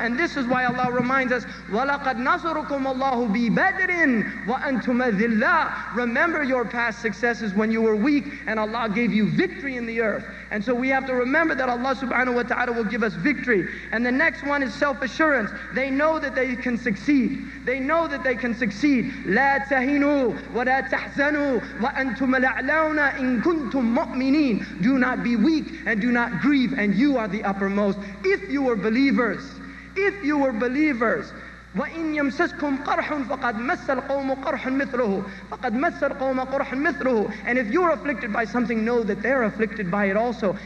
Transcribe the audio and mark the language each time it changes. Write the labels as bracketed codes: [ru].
[en] And this is why Allah reminds us, [ar] وَلَقَدْ نَصَرُكُمُ اللَّهُ بِبَدْرٍ وَأَنْتُمَ ذِلَّةٌ. [en] Remember your past successes when you were weak and Allah gave you victory in the earth. And so we have to remember that Allah subhanahu wa ta'ala will give us victory. And the next one is self-assurance. They know that they can succeed. They know that they can succeed. [ar] لا تهنوا ولا تحزنوا وأنتم الأعلون إن كنتم مؤمنين. [en] Do not be weak and do not grieve, and you are the uppermost. If you were believers, if you were believers. [ar] وَإِنْ يَمْسَسْكُمْ قَرْحٌ فَقَدْ مَسَّ الْقَوْمُ قَرْحٌ مِثْلُهُ فَقَدْ مَسَّ الْقَوْمَ قَرْحٌ مِثْلُهُ. [en] And if you're afflicted by something, know that they're afflicted by it also.